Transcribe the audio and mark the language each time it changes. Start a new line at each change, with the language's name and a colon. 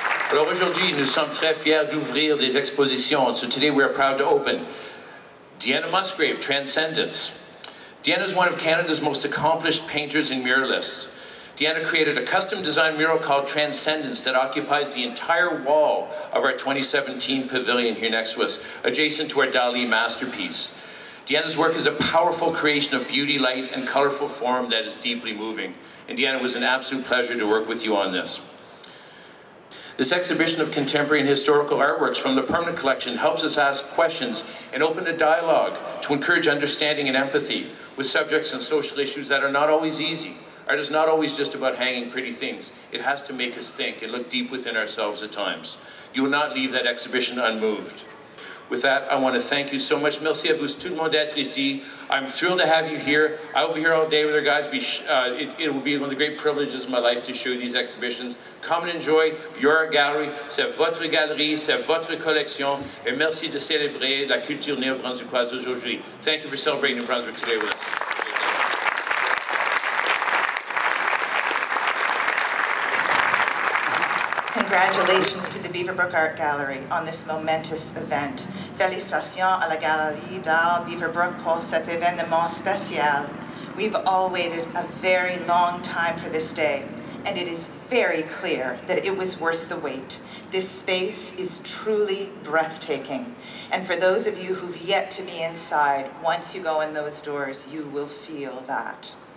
French: Alors aujourd'hui, nous sommes très fiers d'ouvrir des expositions.
English: So today we are proud to open Deanna Musgrave, Transcendence. Deanna is one of Canada's most accomplished painters and muralists. Deanna created a custom-designed mural called Transcendence that occupies the entire wall of our 2017 pavilion here next to us, adjacent to our Dalí masterpiece. Deanna's work is a powerful creation of beauty, light, and colorful form that is deeply moving. And Deanna, it was an absolute pleasure to work with you on this. This exhibition of contemporary and historical artworks from the permanent collection helps us ask questions and open a dialogue to encourage understanding and empathy with subjects and social issues that are not always easy. Art is not always just about hanging pretty things. It has to make us think and look deep within ourselves at times. You will not leave that exhibition unmoved. With that, I want to thank you so much.
French: Merci à vous tout le monde d'être ici.
English: I'm thrilled to have you here. I will be here all day with our guides. It will be one of the great privileges of my life to show these exhibitions. Come and enjoy your gallery.
French: C'est votre galerie, c'est votre collection. Et merci de célébrer la culture néo-brunswickoise aujourd'hui.
English: Thank you for celebrating New Brunswick today with us. Congratulations to the Beaverbrook Art Gallery on this momentous event.
French: Félicitations à la Galerie d'Art Beaverbrook pour cet événement spécial.
English: We've all waited a very long time for this day, and it is very clear that it was worth the wait. This space is truly breathtaking. And for those of you who've yet to be inside, once you go in those doors, you will feel that.